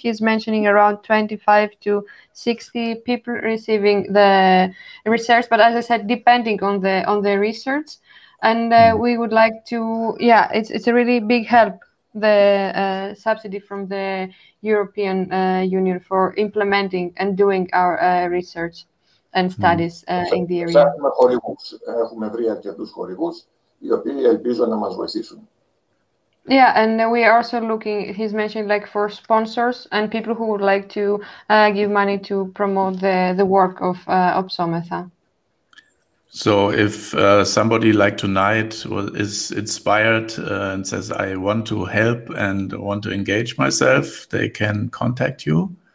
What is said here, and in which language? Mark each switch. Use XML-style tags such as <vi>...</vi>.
<en>He's mentioning around 25 to 60 people receiving the research, but as I said, depending on the research, and we would like to, yeah, it's a really big help. The subsidy from the European Union for implementing and doing our research and studies in the area.</en> <el>Ψάχνουμε χορηγούς. Έχουμε βρει αρκετούς χορηγούς, οι οποίοι ελπίζω να μας βοηθήσουν.</el> <en>Yeah, and we are also looking, he's mentioning, like, for sponsors and people who would like to give money to promote the work of Οψόμεθα. So if somebody like tonight is inspired and says, I want to help and want to engage myself, they can contact you?</en>